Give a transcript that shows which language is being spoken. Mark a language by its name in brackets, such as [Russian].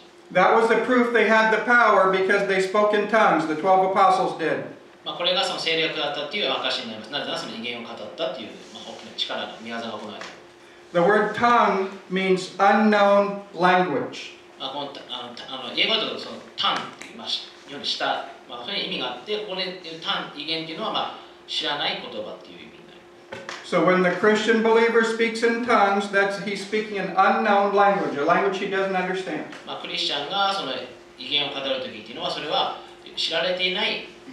[English] That was the proof they had the power because they spoke in tongues. The 12 apostles did. [Japanese] まあ、これがその聖霊だったっていう証になります。なぜならその異言を語ったっていう、まあ、大きな力が御業が行われた。 [English] The word tongue means unknown language. [Japanese] まあ、このあの英語だとその tongue って言いました。日本語した。まあ、それに意味があって、ここで言う tongue、異言っていうのは、まあ、知らない言葉っていう意味になります。 [English] So when the Christian believer speaks in tongues, that's he's speaking an unknown language, a language he doesn't understand. [Japanese] まあ、クリスチャンがその異言を語るときっていうのは、それは知られていない。